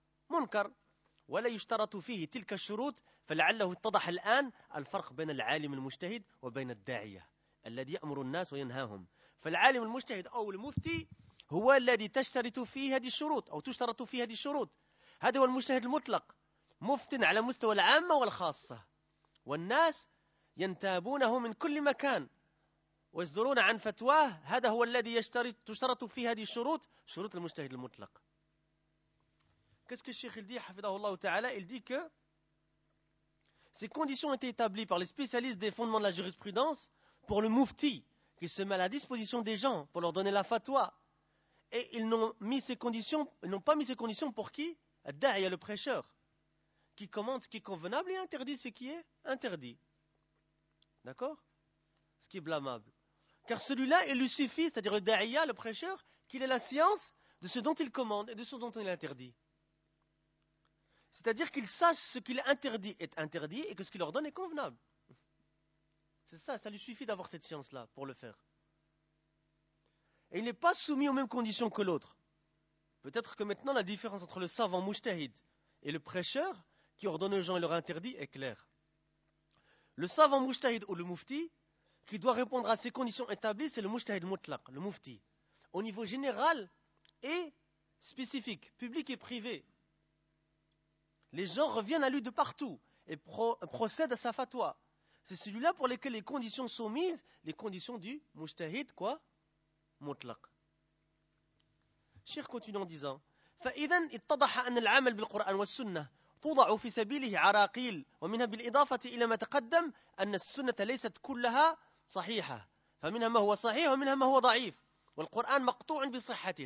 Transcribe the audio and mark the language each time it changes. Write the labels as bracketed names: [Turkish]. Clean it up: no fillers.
[Arabic] منكر ولا يشترط فيه تلك الشروط فلعله اتضح الآن الفرق بين العالم المجتهد وبين الداعية الذي يأمر الناس وينهاهم فالعالم المجتهد أو المفتي هو الذي تشترط فيه هذه الشروط أو تشترط فيه هذه الشروط هذا هو المجتهد المطلق مفت على مستوى العامة والخاصة والناس ينتابونه من كل مكان ويصدرون عن فتواه هذا هو الذي تشترط فيه هذه الشروط شروط المجتهد المطلق كيسك الشيخ الدي حفظه الله تعالى الدي ك [French] ces conditions ont été établies par les spécialistes des fondements de la jurisprudence pour le mufti qui se met à la disposition des gens pour leur donner la fatwa. Et ils n'ont pas mis ces conditions pour qui? Derrière le prêcheur, qui commande ce qui est convenable et interdit ce qui est interdit. D'accord? Ce qui est blâmable. Car celui-là, il lui suffit, c'est-à-dire le derrière le prêcheur, qu'il ait la science de ce dont il commande et de ce dont il interdit. C'est-à-dire qu'il sache ce qu'il interdit est interdit et que ce qu'il ordonne est convenable. C'est ça, ça lui suffit d'avoir cette science-là pour le faire. Et il n'est pas soumis aux mêmes conditions que l'autre. Peut-être que maintenant, la différence entre le savant mujtahid et le prêcheur qui ordonne aux gens et leur interdit est claire. Le savant mujtahid ou le mufti qui doit répondre à ces conditions établies, c'est le mujtahid mutlaq, le mufti. Au niveau général et spécifique, public et privé, les gens reviennent à lui de partout et procèdent à sa fatwa. C'est celui-là pour lequel les conditions sont mises, les conditions du mujtahid, quoi? Mutlaq. Cheikh continue en disant, [Arabic] فَإِذَنْ اِتَّضَحَ أَنَّ الْعَمَلْ بِالْقُرْآنِ وَالسُّنَّةِ تُضَعُ فِي سَبِيلِهِ عَرَاقِيلِ وَمِنْهَا بِالْإِضَافَةِ إِلَى مَا تَقَدَّمَ أَنَّ السُّنَّةَ لَيْسَتْ كُلَّهَا صَحِيحَةَ فَمِنْهَا مَا هُوَ صَحِيحَ وَمِنْهَا مَا هُوَ ضَعِيفَ وَالْقُرْآنَ مَقْطُوعٌ بِصِحَّتِهِ.